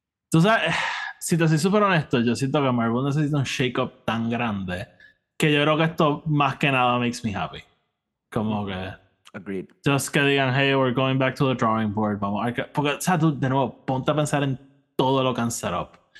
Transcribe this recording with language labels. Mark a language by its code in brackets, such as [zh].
[es] Tú sabes, si te soy súper honesto, yo siento que Marvel necesita un shake-up tan grande que yo creo que esto más que nada [en] makes me happy. [es] Como que... [en] Agreed. Just [es] que digan, [en] hey, we're going back to the drawing board. [es] Vamos, hay que... Porque, o sea, tú, de nuevo, ponte a pensar en todo lo que han set up.